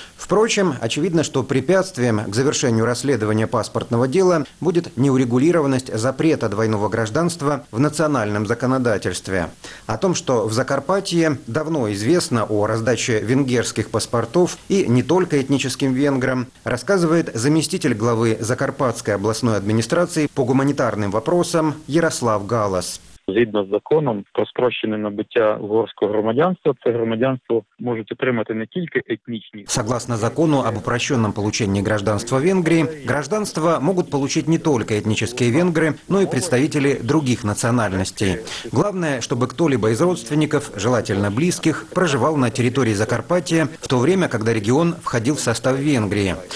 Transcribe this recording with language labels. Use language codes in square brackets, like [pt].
[ru] Впрочем, очевидно, что препятствием к завершению расследования паспортного дела будет неурегулированность запрета двойного гражданства в национальном законодательстве. О том, что в Закарпатье давно известно о раздаче венгерских паспортов и не только этническим венграм, рассказывает заместитель главы Закарпатской областной администрации по гуманитарным вопросам Ярослав Галас. [uk] згідно з законом про спрощене набуття угорського громадянства, це громадянство можуть отримати не тільки етнічні. [ru] Согласно закону об упрощенном получении гражданства Венгрии, гражданство могут получить не только этнические венгры, но и представители других национальностей. Главное, чтобы кто-либо из родственников, желательно близких, проживал на территории Закарпатья в то время, когда регион входил в состав Венгрии.